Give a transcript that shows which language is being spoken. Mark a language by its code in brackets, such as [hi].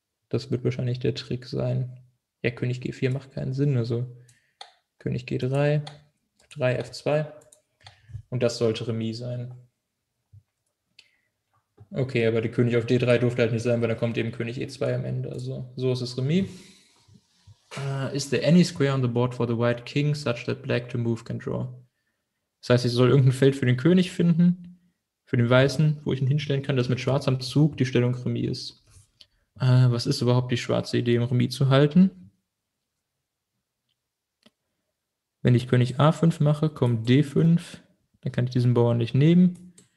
[de] Das wird wahrscheinlich der Trick sein. Ja, König G4 macht keinen Sinn. Also König G3, 3 F2 und das sollte Remis sein. Okay, aber der König auf D3 durfte halt nicht sein, weil da kommt eben König E2 am Ende. Also so ist es Remis. [en] Is there any square on the board for the white king such that black to move can draw? [de] Das heißt, ich soll irgendein Feld für den König finden, für den Weißen, wo ich ihn hinstellen kann, dass mit Schwarz am Zug die Stellung Remis ist. Was ist überhaupt die schwarze Idee, im Remis zu halten? Wenn ich König A5 mache, kommt D5, dann kann ich diesen Bauern nicht nehmen.